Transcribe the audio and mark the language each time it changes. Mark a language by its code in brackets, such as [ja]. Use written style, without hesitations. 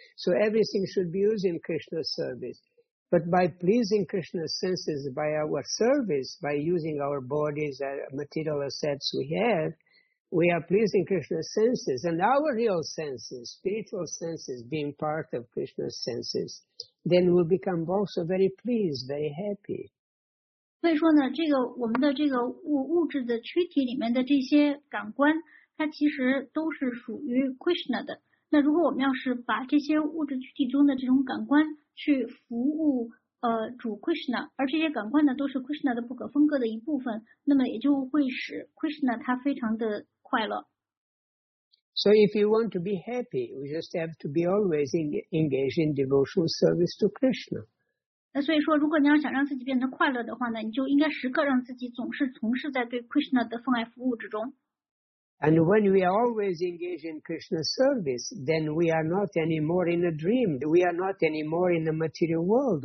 [en] So everything should be used in Krishna's service. But by pleasing Krishna's senses by our service, by using our bodies, material assets we have, we are pleasing Krishna's senses, and our real senses, spiritual senses, being part of Krishna's senses, then we'll become also very pleased, very happy. [zh] 所以说呢，这个我们的这个物质的躯体里面的这些感官，它其实都是属于 Krishna 的。那如果我们要是把这些物质躯体中的这种感官去服务主 Krishna， 而这些感官呢都是 Krishna 的不可分割的一部分，那么也就会使 Krishna 它非常的。 [en] So if you want to be happy, we just have to be always engaged in devotional service to Krishna. [zh] 那所以说，如果你要想让自己变得快乐的话呢，你就应该时刻让自己总是从事在对 Krishna 的奉爱服务之中。 [en] And when we are always engaged in Krishna's service, then we are not anymore in a dream. We are not anymore in the material world.